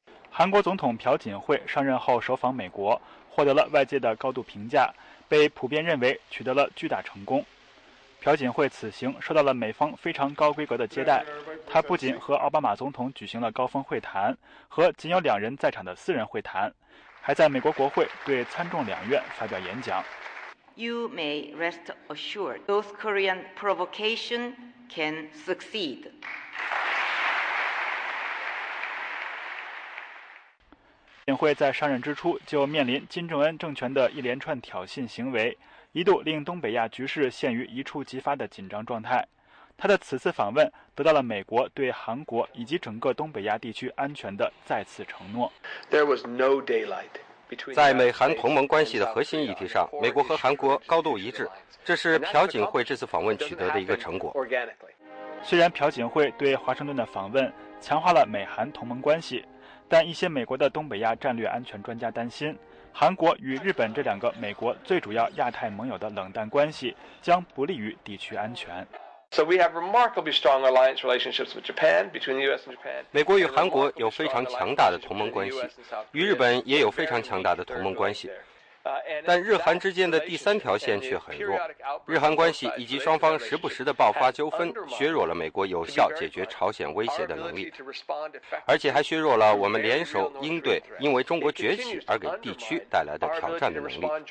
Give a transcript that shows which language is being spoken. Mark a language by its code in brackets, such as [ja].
[zh] 韩国总统朴槿惠上任后首访美国，获得了外界的高度评价，被普遍认为取得了巨大成功。朴槿惠此行受到了美方非常高规格的接待，他不仅和奥巴马总统举行了高峰会谈和仅有两人在场的私人会谈，还在美国国会对参众两院发表演讲。 [en] You may rest assured North Korean provocation can succeed. [zh] 品会在上任之初就面临金正恩政权的一连串挑衅行为，一度令东北亚局势陷于一触即发的紧张状态。他的此次访问得到了美国对韩国以及整个东北亚地区安全的再次承诺。 [en] There was no daylight. [zh] 在美韩同盟关系的核心议题上，美国和韩国高度一致，这是朴槿惠这次访问取得的一个成果。虽然朴槿惠对华盛顿的访问强化了美韩同盟关系，但一些美国的东北亚战略安全专家担心，韩国与日本这两个美国最主要亚太盟友的冷淡关系将不利于地区安全。 [en] So we have remarkably strong alliance relationships with Japan, between the U.S. and Japan. [zh] 美国与韩国有非常强大的同盟关系，与日本也有非常强大的同盟关系。但日韩之间的第三条线却很弱，日韩关系以及双方时不时的爆发纠纷，削弱了美国有效解决朝鲜威胁的能力，而且还削弱了我们联手应对因为中国崛起而给地区带来的挑战的能力。